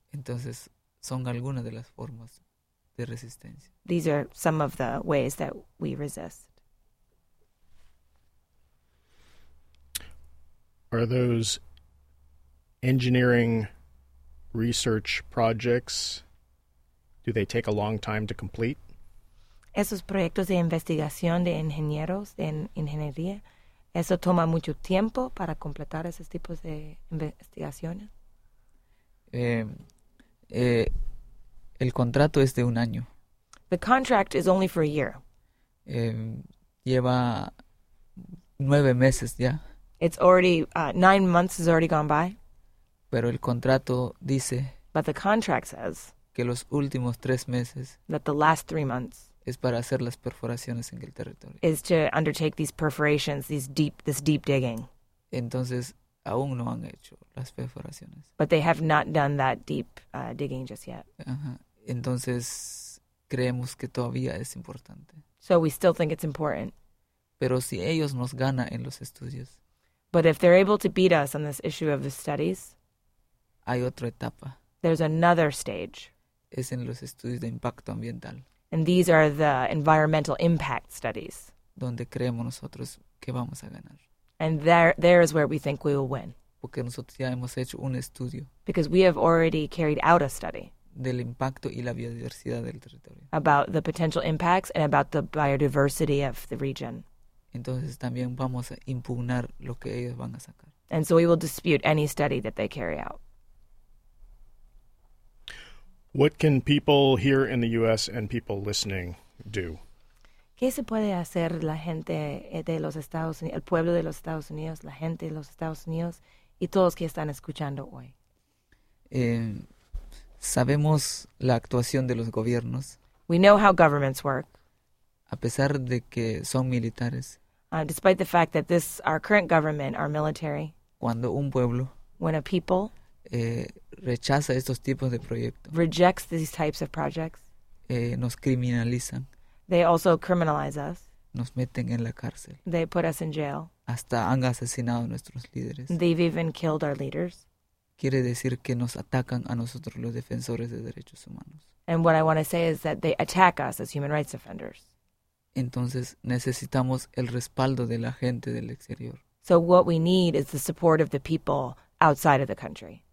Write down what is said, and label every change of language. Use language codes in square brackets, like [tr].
[es] Entonces, son algunas de las formas de resistencia. [en] These are some of the ways that we resist. Are those engineering research projects, do they take a long time to complete? [es] Esos proyectos de investigación de ingenieros en ingeniería. Eso toma mucho tiempo para completar esos tipos de investigaciones. El contrato es de un año. [en] The contract is only for a year. [es] Lleva 9 meses ya. [en] It's already 9 months has already gone by. [es] Pero el contrato dice. [en] But the contract says. [es] Que los últimos 3 meses. [en] That the last 3 months. [es] Es para hacer las perforaciones en el territorio. [en] Is to undertake these perforations, this deep digging. [es] Entonces, aún no han hecho las perforaciones. [en] But they have not done that deep digging just yet. [es] Uh-huh. Entonces, creemos que todavía es importante. [en] So we still think it's important. [es] Pero si ellos nos ganan en los estudios. [en] But if they're able to beat us on this issue of the studies. [es] Hay otra etapa. [en] There's another stage. [es] Es en los estudios de impacto ambiental. [en] And these are the environmental impact studies. [es] Donde creemos nosotros que vamos a ganar. [en] And there is where we think we will win. [es] Porque nosotros ya hemos hecho un estudio. [en] Because we have already carried out a study. [es] Del impacto y la biodiversidad del territorio. [en] About the potential impacts and about the biodiversity of the region. [es] Entonces también vamos a impugnar lo que ellos van a sacar. [en] And so we will dispute any study that they carry out. What can people here in the U.S. and people listening do? [es] ¿Qué se puede hacer la gente de los Estados Unidos, el pueblo de los Estados Unidos, la gente de los Estados Unidos y todos que están escuchando hoy? Sabemos la actuación de los gobiernos. [en] We know how governments work. [es] A pesar de que son militares. [en] Despite the fact that this, our current government, our military. [es] Cuando un pueblo. [en] When a people. [es] Rechaza estos tipos de proyectos. [en] Rejects these types of projects. [es] Nos criminalizan. [en] They also criminalize us. [es] Nos meten en la cárcel. [en] They put us in jail. [es] Hasta han asesinado nuestros líderes. [en] They've even killed our leaders. [es] Quiere decir que nos atacan a nosotros los defensores de derechos humanos. [en] And what I want to say is that they attack us as human rights defenders. [es] Entonces necesitamos el respaldo de la gente del exterior. [en] So what we need is the support of the people outside of the country.